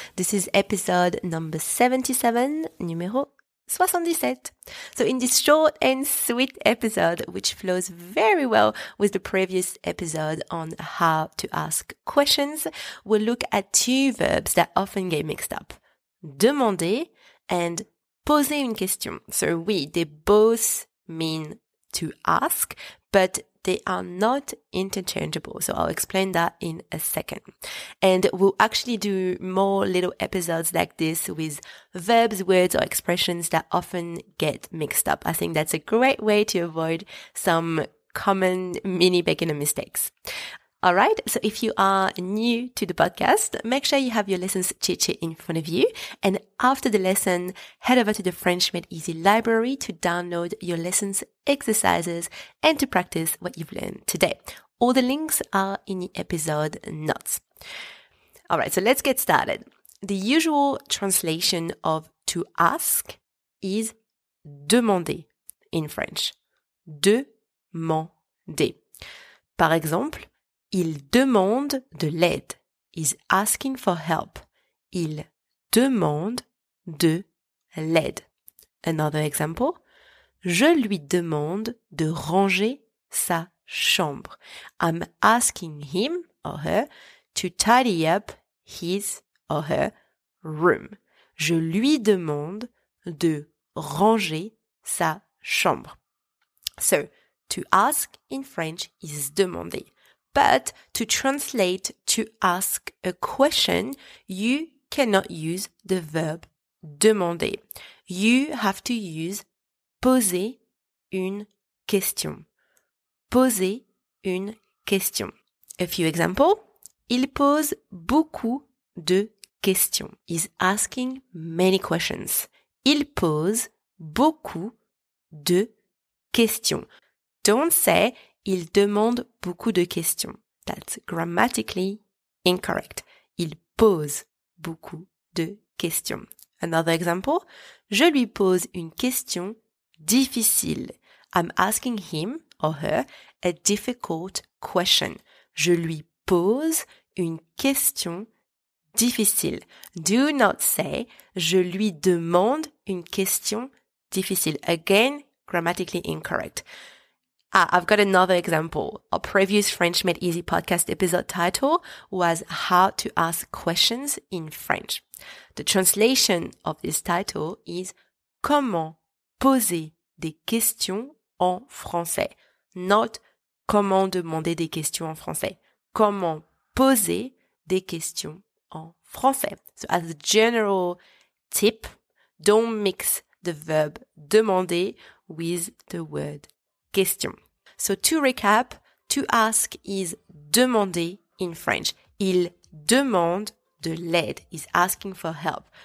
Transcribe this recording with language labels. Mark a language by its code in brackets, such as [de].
[en] This is episode number 77, [fr] numéro 77. [en] So in this short and sweet episode, which flows very well with the previous episode on how to ask questions, we'll look at two verbs that often get mixed up. [fr] Demander and poser une question. [en] So oui, they both mean to ask, but they are not interchangeable, so I'll explain that in a second. And we'll actually do more little episodes like this with verbs, words, or expressions that often get mixed up. I think that's a great way to avoid some common mini beginner mistakes. All right, so if you are new to the podcast, make sure you have your lessons cheat sheet in front of you. And after the lesson, head over to the French Made Easy library to download your lessons, exercises, and to practice what you've learned today. All the links are in the episode notes. All right, so let's get started. The usual translation of to ask is demander in French. [fr] Demander. Par exemple, il demande de l'aide. [en] He's asking for help. [fr] Il demande de l'aide. [en] Another example. [fr] Je lui demande de ranger sa chambre. [en] I'm asking him or her to tidy up his or her room. [fr] Je lui demande de ranger sa chambre. [en] So, to ask in French is demander. But to translate to ask a question, you cannot use the verb demander. You have to use poser une question. [fr] Poser une question. [en] A few examples. [fr] Il pose beaucoup de questions. [en] He's asking many questions. [fr] Il pose beaucoup de questions. [en] Don't say [fr] il demande beaucoup de questions. [en] That's grammatically incorrect. [fr] Il pose beaucoup de questions. [en] Another example. [fr] Je lui pose une question difficile. [en] I'm asking him or her a difficult question. [fr] Je lui pose une question difficile. [en] Do not say [fr] je lui demande une question difficile. [en] Again, grammatically incorrect. I've got another example. Our previous French Made Easy podcast episode title was How to Ask Questions in French. The translation of this title is [fr] Comment poser des questions en français? Not Comment demander des questions en français. Comment poser des questions en français? [en] So as a general tip, don't mix the verb demander with the word question. So to recap, to ask is demander in French. [fr] Il demande de l'aide, [en] is asking for help.